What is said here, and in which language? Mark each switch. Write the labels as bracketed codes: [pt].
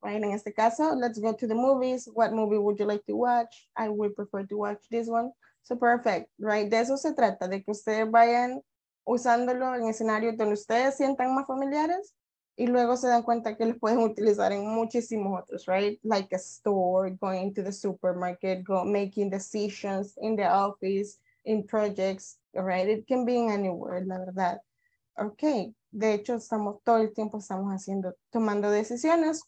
[en] Right? [es] En este caso, [en] let's go to the movies. What movie would you like to watch? I would prefer to watch this one. So perfect, right? [es] De eso se trata, de que ustedes vayan usándolo en escenarios donde ustedes sientan más familiares y luego se dan cuenta que los pueden utilizar en muchísimos otros, right? [en] Like a store, going to the supermarket, making decisions in the office, in projects, right? It can be in anywhere, [es] la verdad. [en] Okay. [es] De hecho, estamos todo el tiempo estamos haciendo, tomando decisiones.